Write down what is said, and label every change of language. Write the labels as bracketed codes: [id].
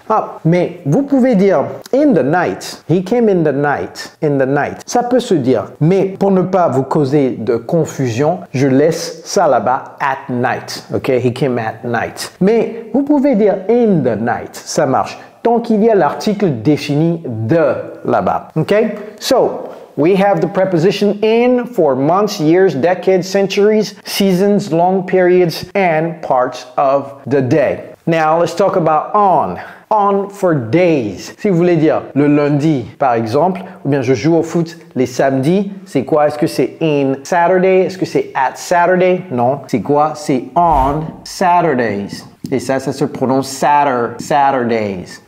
[fr] Ah, mais vous pouvez dire [en] in the night. He came in the night. In the night. [fr] Ça peut se dire. Mais pour ne pas vous causer de confusion, je laisse ça là-bas [en] at night, ok? He came at night. [fr] Mais vous pouvez dire [en] in the night. [fr] Ça marche. Tant qu'il y a l'article défini de là-bas, ok? [en] So, we have the preposition in for months, years, decades, centuries, seasons, long periods, and parts of the day. Now, let's talk about on. On for days. [fr] Si vous voulez dire le lundi, par exemple, ou bien je joue au foot les samedis, c'est quoi? Est-ce que c'est [en] in Saturday? [fr] Est-ce que c'est [en] at Saturday? [fr] Non. C'est quoi? C'est [en] on Saturdays. [fr] Et ça, ça se prononce Saturdays.